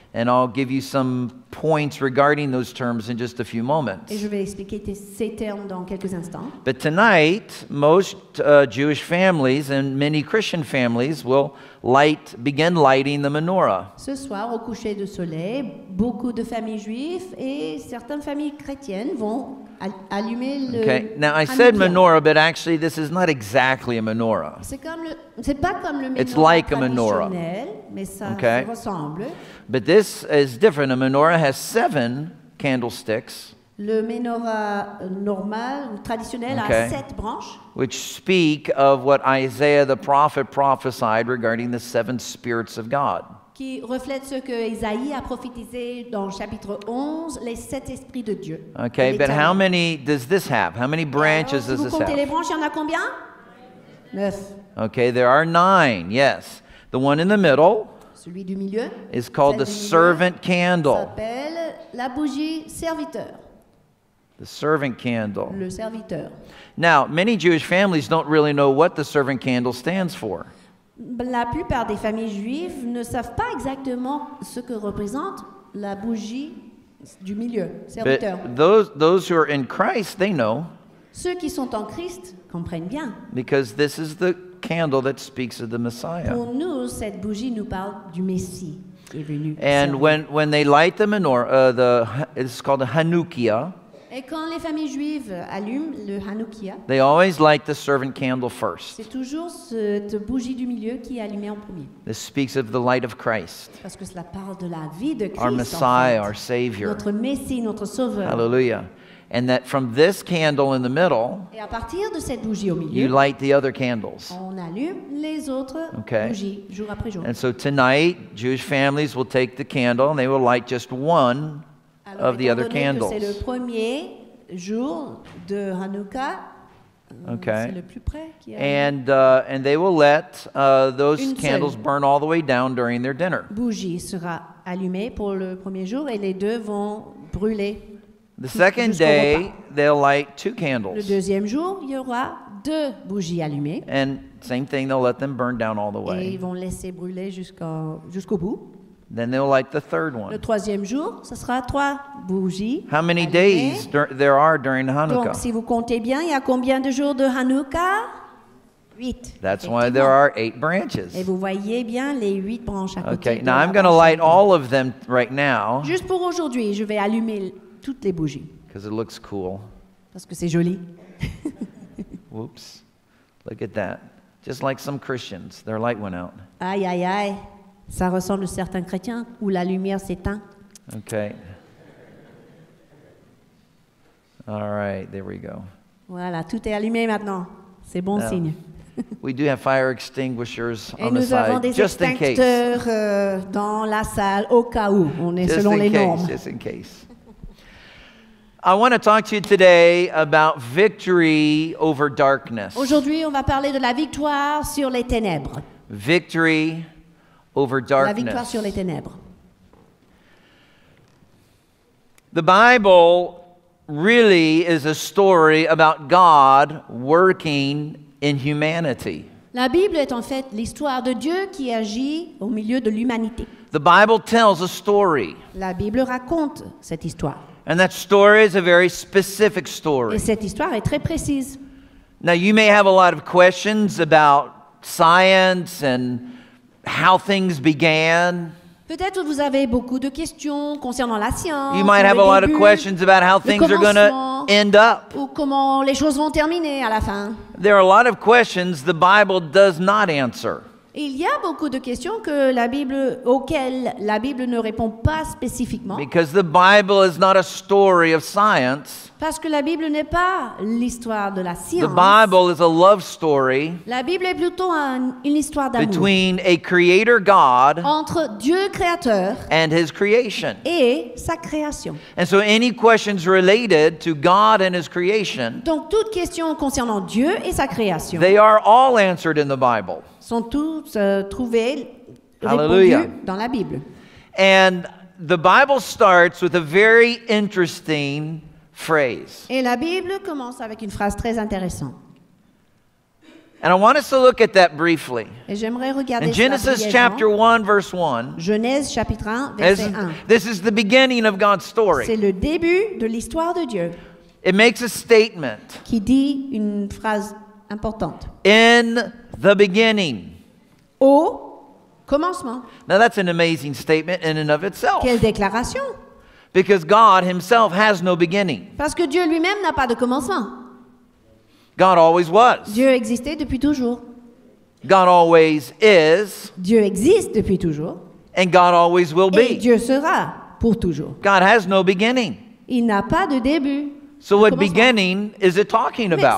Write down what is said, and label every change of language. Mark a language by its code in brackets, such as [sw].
[en] And I'll give you some points regarding those terms in just a few moments. [fr] Et je vais expliquer ces termes dans quelques instants. [en] But tonight, most Jewish families and many Christian families will begin lighting the menorah. [fr] Ce soir, au coucher de soleil, beaucoup de familles juives et certaines familles chrétiennes vont allumer le [en] okay. Now I said menorah, but actually this is not exactly a menorah. [fr] C'est pas comme le menorah. [en] It's like a menorah. [fr] Mais ça okay. ressemble. [en] But this is different. A menorah has 7 candlesticks. [fr] Le menorah normal ou traditionnel okay. a 7 branches. [en] Which speak of what Isaiah the prophet prophesied regarding the 7 spirits of God. [fr] Qui reflète ce que Isaïe a prophétisé dans chapitre 11, les 7 esprits de Dieu. [en] Okay, but how many does this have? How many branches [fr] alors, si [en] does this have? [fr] Vous comptez les branches, il y en a combien? 9. [en] Okay, there are 9, yes. The one in the middle [fr] celui du milieu, [en] is called the servant candle. [fr] S'appelle la bougie serviteur. [en] The servant candle. [fr] Le serviteur. [en] Now, many Jewish families don't really know what the servant candle stands for. [fr] La plupart des familles juives ne savent pas exactement ce que représente la bougie du milieu, serviteur. [en] But those who are in Christ, they know. [fr] Ceux qui sont en Christ comprennent bien. [en] Because this is the candle that speaks of the Messiah. [fr] Pour nous, cette bougie nous parle du Messie qui est venu. [en] And when they light the menorah, it's called a Hanukkah. [fr] Et quand les familles juives allument le Hanukkah, [en] they always light the servant candle first. [fr] C'est toujours cette bougie du milieu qui est allumée en premier. [en] This speaks of the light of Christ. [fr] Parce que cela parle de la vie de Christ. [en] Our Messiah, [fr] en fait. [en] Our Savior. [fr] Notre Messie, notre Sauveur. [en] Hallelujah. And that from this candle in the middle, [fr] et à partir de cette bougie au milieu, [en] you light the other candles. [fr] On allume les autres okay. bougies jour après jour. [en] And so tonight, Jewish families will take the candle and they will light just one [fr] alors, [en] of the other candles. [fr] C'est le premier jour de Hanukkah. [en] Okay. [fr] C'est le plus près qui a [en] And they will let those candles burn all the way down during their dinner. [fr] Bougie sera allumée pour le premier jour et les deux vont brûler. [en] The second day, they'll light two candles. [fr] Le deuxième jour, il y aura deux bougies allumées. [en] And same thing, they'll let them burn down all the way. [fr] Et ils vont laisser brûler jusqu'au bout. [en] Then they'll light the third one. [fr] Le troisième jour, ce sera trois bougies. [en] How many days there are during Hanukkah? [fr] Donc, si vous comptez bien, il y a combien de jours de Hanukkah? Huit. [en] That's why there are eight branches. [fr] Et vous voyez bien les huit branches à côté. [en] Okay, now I'm going to light all of them right now. [fr] Juste pour aujourd'hui, je vais allumer toutes les bougies. [en] Because it looks cool. [fr] Parce que c'est joli. [en] Whoops. Look at that. Just like some Christians, their light went out. [fr] Aïe, aïe, aïe. Ça ressemble à certains chrétiens où la lumière s'éteint. [en] Okay. All right, there we go. [fr] Voilà, tout est allumé maintenant. C'est bon signe. [en] We do have fire extinguishers on the side, just in case. [fr] Et nous avons des extincteurs dans la salle au cas où. On est selon les normes. [en] Just in case. I want to talk to you today about victory over darkness. [fr] Aujourd'hui, on va parler de la victoire sur les ténèbres. [en] Victory over darkness. [fr] La victoire sur les ténèbres. [en] The Bible really is a story about God working in humanity. [fr] La Bible est en fait l'histoire de Dieu qui agit au milieu de l'humanité. [en] The Bible tells a story. [fr] La Bible raconte cette histoire. [en] And that story is a very specific story. [fr] Et cette histoire est très précise. [en] Now you may have a lot of questions about science and how things began. [fr] Peut-être vous avez beaucoup de questions concernant la science. [en] You might have a lot of questions about how things are going to end up. [fr] Ou comment les choses vont terminer à la fin. [en] There are a lot of questions the Bible does not answer. [fr] Il y a beaucoup de questions que la Bible, auxquelles la Bible ne répond pas spécifiquement. [en] Because the Bible is not a story of science. [fr] Parce que la Bible n'est pas l'histoire de la science. [en] The Bible is a love story. [fr] La Bible est plutôt une histoire d'amour. [en] Between a creator God. [fr] Entre Dieu créateur. [en] And his creation. [fr] Et sa création. [en] And so any questions related to God and his creation. [fr] Donc toutes questions concernant Dieu et sa création. [en] They are all answered in the Bible. [fr] Sont tous trouvés, répondus dans la Bible. [en] And the Bible starts with a very interesting phrase. [fr] Et la Bible commence avec une phrase très intéressante. [en] And I want us to look at that briefly. [fr] Et j'aimerais regarder [en] in Genesis chapter 1, verse 1. [fr] Genèse chapitre 1, verset 1. [en] This is the beginning of God's story. [fr] C'est le début de l'histoire de Dieu. [en] It makes a statement. [fr] Qui dit une phrase importante. [en] In the beginning. [fr] Au commencement. [en] Now that's an amazing statement in and of itself. [fr] Quelle déclaration! [en] Because God himself has no beginning. [fr] Parce que Dieu lui-même n'a pas de commencement. [en] God always was. [fr] Dieu existait depuis toujours. [en] God always is. [fr] Dieu existe depuis toujours. [en] And God always will be. [fr] Et Dieu sera pour toujours. [en] God has no beginning. [fr] Il n'a pas de début. [en] So what beginning is it talking about?